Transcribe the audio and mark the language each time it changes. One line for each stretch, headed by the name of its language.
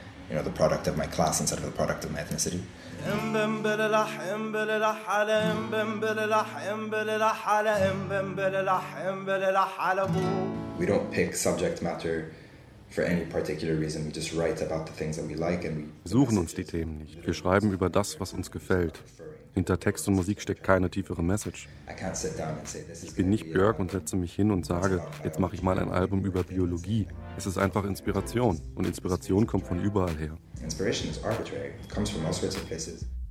English: you know, the product of my class instead of the product of my ethnicity. We don't pick subject matter for any particular reason. We just write about the things that we like and we
German: suchen uns die Themen nicht. Wir schreiben über das, was uns gefällt. Hinter Text und Musik steckt keine tiefere Message. Ich bin nicht Björk und setze mich hin und sage, jetzt mache ich mal ein Album über Biologie. Es ist einfach Inspiration. Und Inspiration kommt von überall her.
English: Inspiration is arbitrary. It comes from all sorts of places.